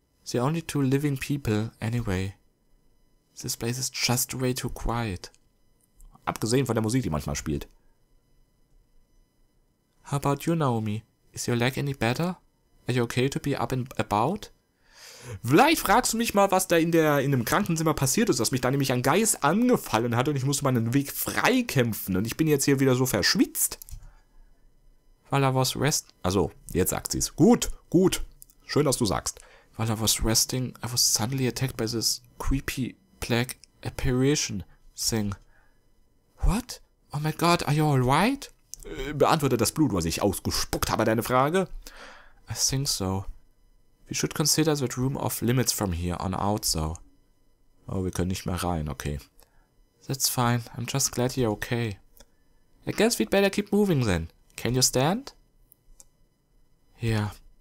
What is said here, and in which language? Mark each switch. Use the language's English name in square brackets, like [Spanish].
[English] The only two living people, anyway. This place is just way too quiet. [German] Abgesehen von der Musik, die manchmal spielt. [English] How about you, Naomi? Is your leg any better? Are you okay to be up and about? [German] Vielleicht fragst du mich mal, was da in dem Krankenzimmer passiert ist, dass mich da nämlich ein Geist angefallen hat und ich musste meinen Weg freikämpfen und ich bin jetzt hier wieder so verschwitzt. [English] While I was rest... [German] Also, jetzt sagt sie's. Gut, gut. Schön, dass du sagst. [English] While I was resting, I was suddenly attacked by this creepy black apparition thing. What? Oh my god, are you all right? [German] Beantworte das Blut, was ich ausgespuckt habe, deine Frage. [English] I think so. We should consider that room off limits from here on out, so. [German] Oh, wir können nicht mehr rein, okay. [English] That's fine, I'm just glad you're okay. I guess we'd better keep moving then. Can you stand? Yeah.